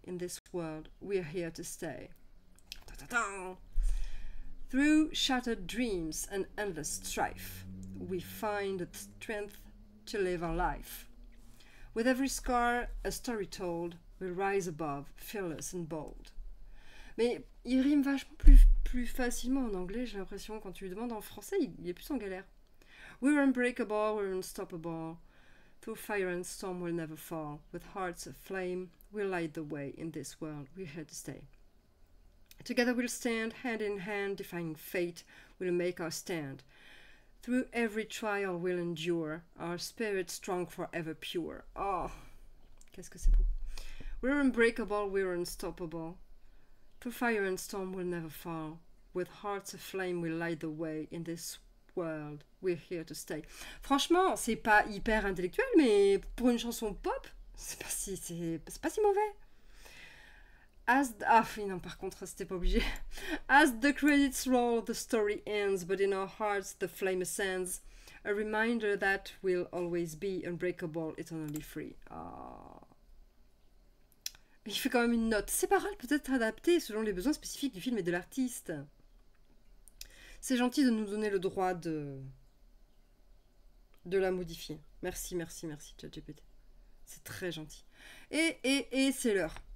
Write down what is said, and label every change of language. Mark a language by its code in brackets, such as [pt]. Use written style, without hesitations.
[en] In this world, we're here to stay. Ta-ta-ta! Through shattered dreams and endless strife, we find the strength to live our life. With every scar, a story told, we'll rise above, fearless and bold. [fr] Mais il rime vachement plus facilement en anglais, j'ai l'impression. Quand tu lui demandes en français, il est plus en galère. [en] We're unbreakable, we're unstoppable. Through fire and storm, we'll never fall. With hearts aflame, we'll light the way. In this world, we're here to stay. Together we'll stand, hand in hand, defying fate. We'll make our stand. Through every trial, we'll endure. Our spirit strong, forever pure. [fr] Oh, qu'est-ce que c'est beau. [en] We're unbreakable, we're unstoppable. Through fire and storm will never fall. With hearts aflame, we'll light the way. In this world, we're here to stay. [fr] Franchement, c'est pas hyper intellectuel, mais pour une chanson pop, c'est pas si mauvais. Par contre, c'était pas obligé. [en] As the credits roll, the story ends, but in our hearts, the flame ascends. A reminder that we'll always be unbreakable, eternally free. [fr] Il fait quand même une note. Ces paroles peuvent être adaptées selon les besoins spécifiques du film et de l'artiste. C'est gentil de nous donner le droit de la modifier. Merci, ChatGPT. C'est très gentil. Et c'est l'heure.